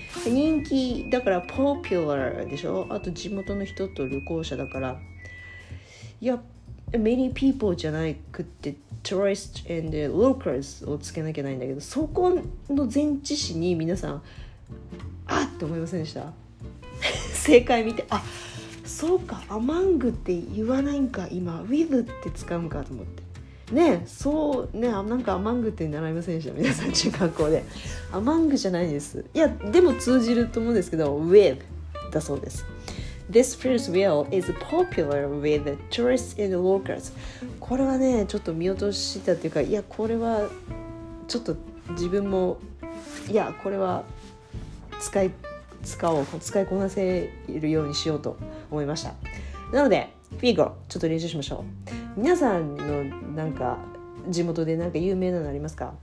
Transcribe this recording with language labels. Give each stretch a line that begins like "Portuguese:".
Japanese: 人気だからポピュラーでしょ。あと地元の人と旅行者だから、いや、
English: many people
Japanese: じゃなくて
English: tourist and locals
Japanese: をつけなきゃないんだけど、そこの前置詞に皆さん、あっと思いませんでした正解見て、あ、そうか、among って言わないんか、今 with って使うんかと思って、ね、そうね、なんかアマングって習いませんでした皆さん中学校で。アマングじゃないです。いやでも通じると思うんですけど、 with だそうです。
English: This Ferris wheel is popular with tourists and locals。
Japanese: これはねちょっと見落としたっていうか、いやこれはちょっと自分も、いやこれは使いこなせるようにしようと思いました。なので
English: we go、
Japanese: ちょっと練習しましょう。皆さんのなんか地元でなんか有名なのありますか？